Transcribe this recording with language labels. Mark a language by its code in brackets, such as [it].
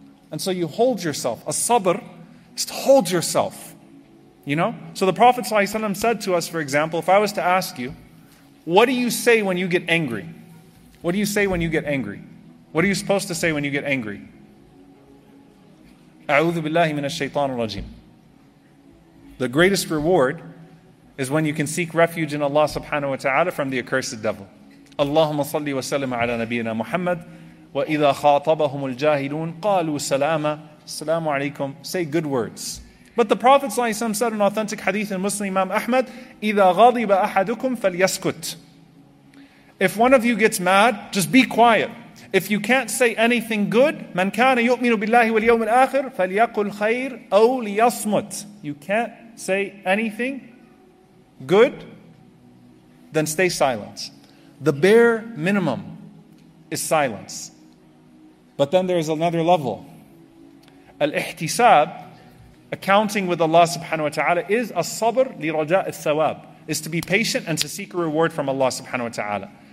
[en] And so you hold yourself. As-sabr is to hold yourself. You know? So the Prophet ﷺ said to us, for example, if I was to ask you, what do you say when you get angry? What do you say when you get angry? What are you supposed to say when you get angry? [ar] أعوذ بالله من الشيطان الرجيم. [en] The greatest reward is when you can seek refuge in Allah subhanahu wa ta'ala from the accursed devil. [ar] اللهم صل وسلم على نبينا محمد وإذا خاطبهم الجاهلون قالوا سلاما السلام عليكم. [en] Say good words. But the Prophet said an authentic hadith in Muslim Imam Ahmad, [ar] إذا غضب أحدكم فليسكت. [en] If one of you gets mad, just be quiet. If you can't say anything good, [ar] من كان يؤمن بالله واليوم الآخر فليقل خير أو ليصمت. [en] You can't say anything good, then stay silent. The bare minimum is silence. But then there is another level. Al-ihtisab, accounting with Allah subhanahu wa ta'ala, is as-sabr li raja' al-thawab, is to be patient and to seek a reward from Allah subhanahu wa ta'ala.